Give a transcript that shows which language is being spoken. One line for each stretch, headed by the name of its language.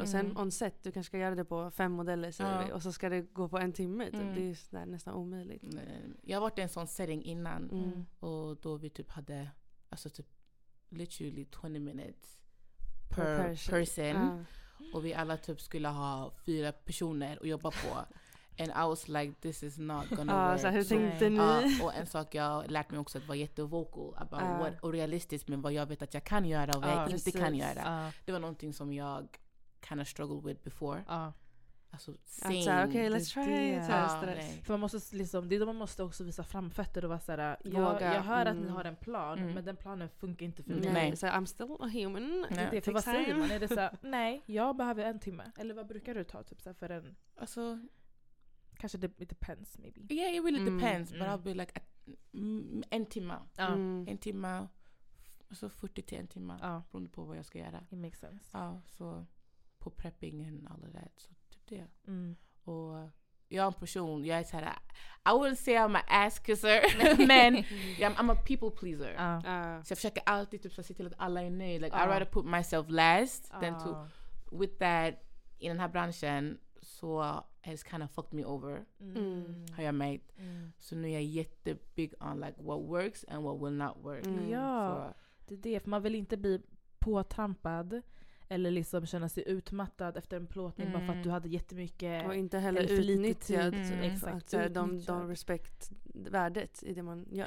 Swedish: Och sen on set, du kanske ska göra det på 5 modeller och så ska det gå på en timme. Det är så där, nästan omöjligt. Jag har varit i en sån setting innan och då vi typ hade
English: literally 20 minutes per person.
Swedish: Och vi alla typ skulle ha 4 personer att jobba på.
English: And I was like, this is not gonna work.
Swedish: Så hur tänkte ni? Och en sak jag lärt mig också att vara jättevokal
English: about what
Swedish: och realistiskt med vad jag vet att jag kan göra och vad jag inte kan göra. Det var någonting som jag
English: kind of struggled with before.
Swedish: För man måste liksom, det är då man måste också visa framfötter och vara så här, jag hör att ni har en plan, men den planen funkar inte för mig. Nej. Så
English: I'm still a human.
Swedish: Det för vad säger man? Är det så här, nej, jag behöver en timme. Eller vad brukar du ta typ så här, för en? Alltså, kanske
English: it depends maybe. Yeah, it really depends, but I'll be like
Swedish: en timme. En timme, alltså 40 till en timme, beroende på vad jag ska göra.
English: It makes sense.
Swedish: Ja, så på
English: prepping and all of that,
Swedish: så typ det. Och jag är en person, jag är så här,
English: I wouldn't say I'm an ass kisser, men I'm a people pleaser.
Swedish: Så jag försöker alltid typ så se till att alla är nöjda.
English: Like, I'd rather put myself last than to, with that,
Swedish: i den här branschen, så
English: has kind of fucked me over. How I made.
Swedish: Så nu är jag jättebig
English: on like what works and what will not work.
Swedish: Ja, det är det. För man vill inte bli påtrampad eller liksom känna sig utmattad efter en plåtning bara för att du hade jättemycket och inte heller utnyttjad. Exakt. Att de respekt värdet i det man gör.